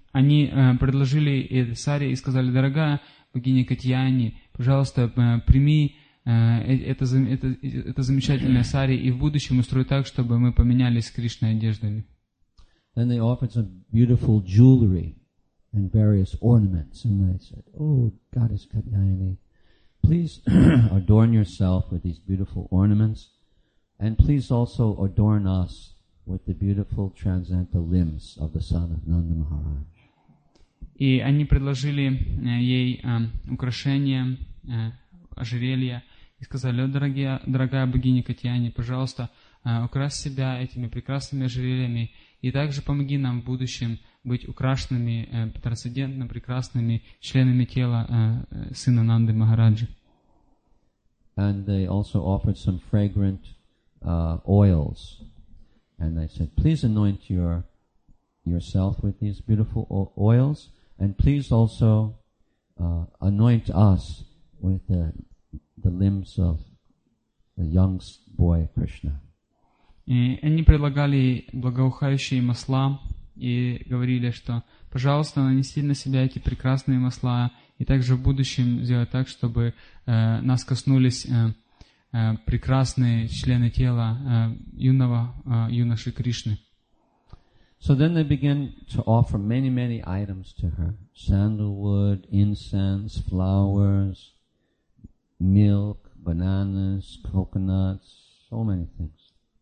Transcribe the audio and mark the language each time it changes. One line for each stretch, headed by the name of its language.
Russian: Они предложили ей сари и сказали, дорогая богиня Катьяни, пожалуйста, прими это замечательное сари и в будущем устрой так, чтобы мы поменялись с Кришной одеждами.
English: Then they offered some beautiful jewelry and various ornaments, and they said, "Oh, goddess Katyayani, please adorn yourself with these beautiful ornaments, and please also adorn us with the beautiful transcendental limbs of the son of Nanda Maharaj."
Russian: И они предложили ей украшения, ожерелья, и сказали, дорогая богиня Катьяни, пожалуйста, укрась себя этими прекрасными ожерельями, и также помоги нам в будущем быть украшенными, трансцендентно прекрасными членами тела сына Нанды Махараджи.
English: And they also offered some fragrant oils. And they said, please anoint yourself with these beautiful oils. And please also anoint us with the limbs of the young boy Krishna.
Russian: Они предлагали благоухающие масла и говорили, что, пожалуйста, нанеси на себя эти прекрасные масла и также в будущем сделать так, чтобы нас коснулись прекрасные члены тела юного юноши Кришны.
English: So then they began to offer many, many items to her. Sandalwood, incense, flowers, milk, bananas, coconuts, so many things.